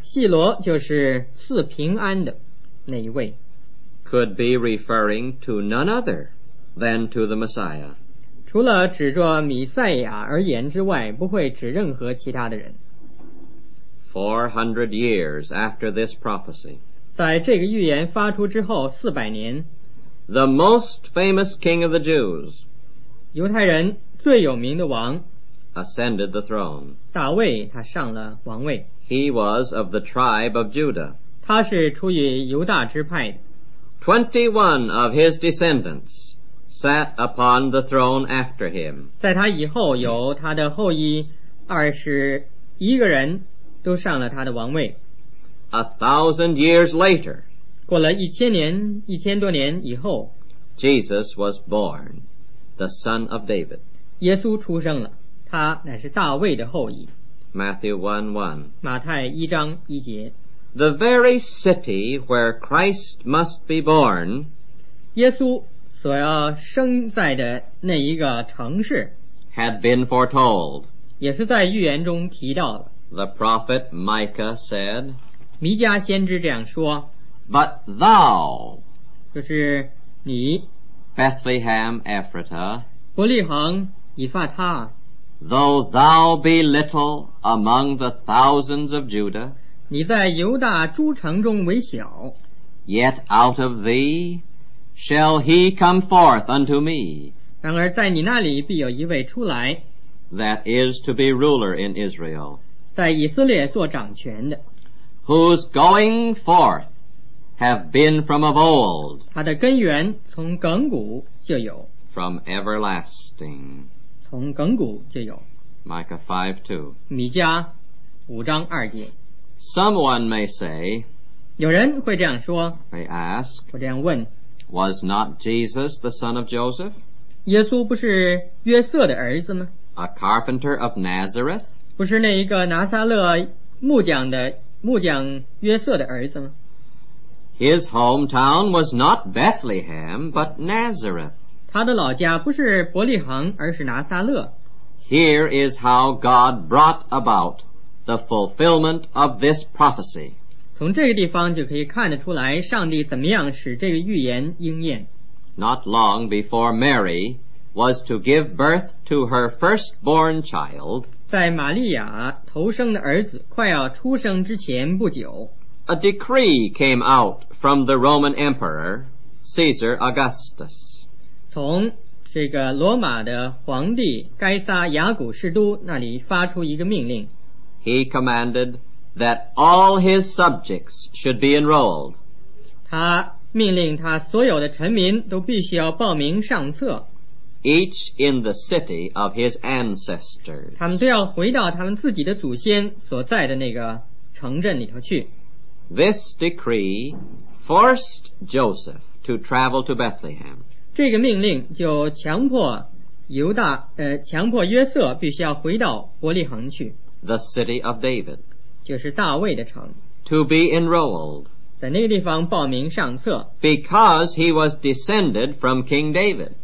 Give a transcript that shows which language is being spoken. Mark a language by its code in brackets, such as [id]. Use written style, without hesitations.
[zh] 细罗就是赐平安的那一位， [en] could be referring to none other than to the Messiah， [zh] 除了指着弥赛亚而言之外，不会指任何其他的人。 [en] 400 years after this prophecy， [zh] 在这个预言发出之后四百年， [en] the most famous king of the Jews， [zh] 犹太人最有名的王， [en] ascended the throne， [zh] 大卫他上了王位。 [en] He was of the tribe of Judah， [zh] 他是出于犹大支派的。 [en] 21 of his descendants sat upon the throne after him， [zh] 在他以后有他的后裔二十一个人都上了他的王位。 [en] 1,000 years later， [zh] 过了一千年，一千多年以后， [en] Jesus was born the son of David， [zh] 耶稣出生了，他乃是大卫的后裔。 [en] Matthew 1:1， [zh] 马太一章一节。 [en] The very city where Christ must be born， [zh] 耶稣所要生在的那一个城市， [en] had been foretold， [zh] 也是在预言中提到了。 [en] The prophet Micah said， [zh] 弥迦先知这样说， [en] But thou， [zh] 就是你， [en] Bethlehem Ephratah， [zh] 伯利恒以法他， [en] Though thou be little among the thousands of Judah， [zh] 你在犹大诸城中为小， [en] Yet out of thee shall he come forth unto me. [zh] 然而在你那里必有一位出来。 [en] That is to be ruler in Israel. [zh] 在以色列做掌权的。 [en] Whose going forth have been from of old. [zh] 他的根源从亘古就有。 [en] From everlasting. [zh] 从亘古就有。 [en] Micah 5:2. [zh] 米迦五章二节。 [en] Someone may say, [zh] 有人会这样说, [en] may ask, [zh] 会这样问, [en] was not Jesus the son of Joseph? [zh] 耶稣不是约瑟的儿子吗? [en] A carpenter of Nazareth? [zh] 不是那一个拿撒勒木匠的木匠约瑟的儿子吗? [en] His hometown was not Bethlehem, but Nazareth. [zh] 他的老家不是伯利恒而是拿撒勒。 [en] Here is how God brought about the fulfillment of this prophecy. [zh] 从这个地方就可以看得出来上帝怎么样使这个预言应验。 [en] Not long before Mary was to give birth to her firstborn child, [zh] 在玛利亚头生的儿子快要出生之前不久, [en] a decree came out from the Roman Emperor, Caesar Augustus. [zh] 从这个罗马的皇帝该撒雅古士都那里发出一个命令。 [en] He commanded that all his subjects should be enrolled. [zh] 他命令他所有的臣民都必须要报名上册。 [en] Each in the city of his ancestors. [zh] 他们都要回到他们自己的祖先所在的那个城镇里头去。 [en] This decree forced Joseph to travel to Bethlehem. [zh] 这个命令就强迫犹大，强迫约瑟必须要回到伯利恒去。 [en] The city of David, [zh] 就是大卫的城, [en] to be enrolled, [zh] 在那个地方报名上册, [en] because he was descended from King David,